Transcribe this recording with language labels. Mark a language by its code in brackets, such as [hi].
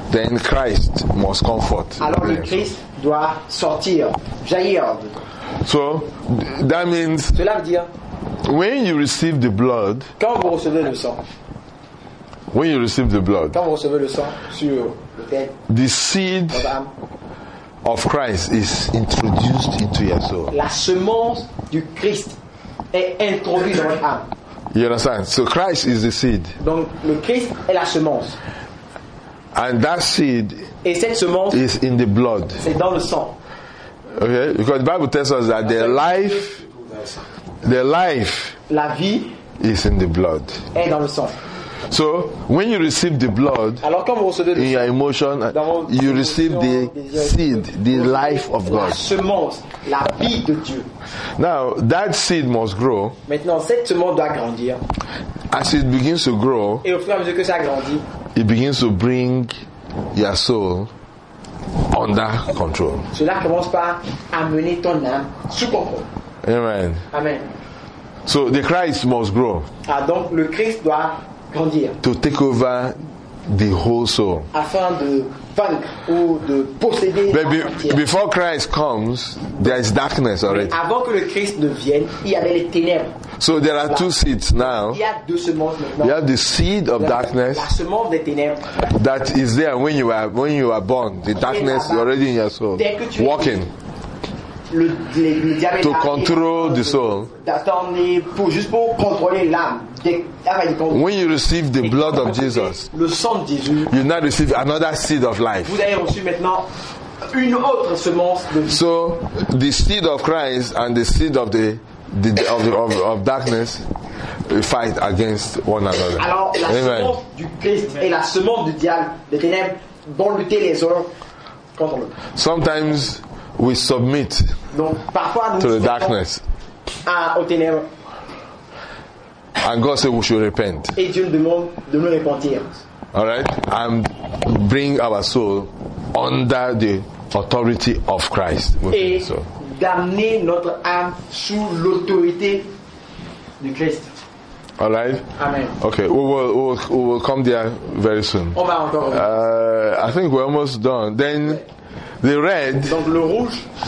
[en] Then Christ must comfort. [fr] Alors le Christ doit sortir, jaillir. [en] So that means [fr] cela veut dire, [en] when you receive the blood, [fr] quand vous recevez le sang, [en] when you receive the blood, [fr] quand vous recevez le sang sur le tête, [en] the seed of Christ is introduced into your soul. [fr] La semence du Christ est introduite dans votre âme. [en] You understand? So Christ is the seed. [fr] Donc le Christ est la semence. [en] And that seed, [fr] et cette semence, [en] is in the blood. [fr] C'est dans le sang. [en] Okay, because the Bible tells us that the life [fr] la vie [en] is in the blood. [fr] Est dans le sang. [en] So when you receive the blood, [fr] alors quand vous recevez [en] in your emotion, you receive the seed, the life of God. [fr] La semence, la vie de Dieu. [en] Now that seed must grow. [fr] Maintenant, cette semence doit grandir. [en] As it begins to grow, [fr] et au fur et à mesure que ça grandit, [en] it begins to bring your soul under control. [fr] Cela commence par amener ton âme sous contrôle. [en] Amen. [fr] Amen. [en] So the Christ must grow. [fr] Ah, donc le Christ doit grandir. [en] To take over the whole soul. [fr] Afin de vaincre ou de posséder. [en] But before Christ comes, there is darkness already. [fr] Mais avant que le Christ ne vienne, il y avait les ténèbres. [en] So there are two seeds now. [fr] Il y a deux semences maintenant. [en] You have the seed of darkness. [fr] La semence des ténèbres. [en] That is there when you are born. The darkness is already in your soul. [fr] Dès que tu [en] walking. [fr] Le [en] to control the soul. [fr] Juste pour contrôler l'âme. [en] When you receive the blood of Jesus, [fr] le sang de Jésus, [en] you now receive another seed of life. [fr] Vous avez reçu maintenant une autre semence de vie. [en] So the seed of Christ and the seed of the darkness fight against one another. [fr] Alors la semence du Christ et la semence du diable, des ténèbres, vont lutter les uns contre l'autre. [en] Sometimes we submit [fr] donc, parfois, [en] to the darkness. [fr] Aux ténèbres. [en] And God said we should repent. [fr] Et Dieu nous demande de nous repentir. [en] All right, and bring our soul under the authority of Christ. [fr] Et d'amener notre âme sous l'autorité du Christ. [en] All right. Amen. Okay, we will come there very soon. [fr] On va encore. [en] I think we're almost done. Then. The red, [fr] donc le rouge,